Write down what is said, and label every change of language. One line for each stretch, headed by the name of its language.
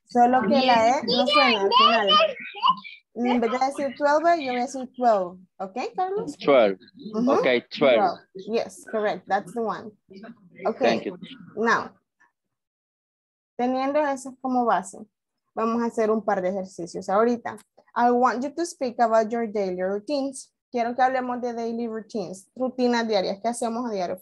Spanish: Solo que la E no suena al final. En vez de decir 12, yo voy a decir 12.
English: Okay, Carlos? 12. Mm-hmm. Okay, 12. Yes, correct. That's the one. Okay. Thank you. Now,
Spanish: teniendo eso como base, vamos a hacer un par de ejercicios ahorita.
English: I want you to speak about your daily routines.
Spanish: Quiero que hablemos de daily routines, rutinas diarias que hacemos a diario.